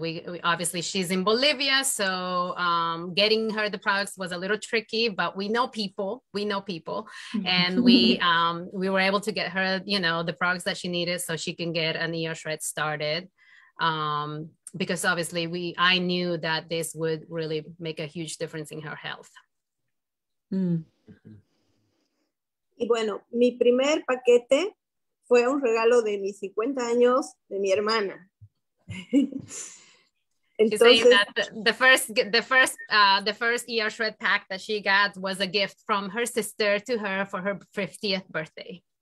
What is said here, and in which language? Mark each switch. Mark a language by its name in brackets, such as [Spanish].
[English] We obviously, she's in Bolivia, so getting her the products was a little tricky, but we know people and we were able to get her, you know, the products that she needed so she can get an ER Shred started, because obviously I knew that this would really make a huge difference in her health. [Spanish] Y bueno, mi primer paquete fue un regalo de mis 50 años de mi hermana. [English] Entonces, she's saying that the first ER Shred pack that she got was a gift from her sister to her for her 50th birthday.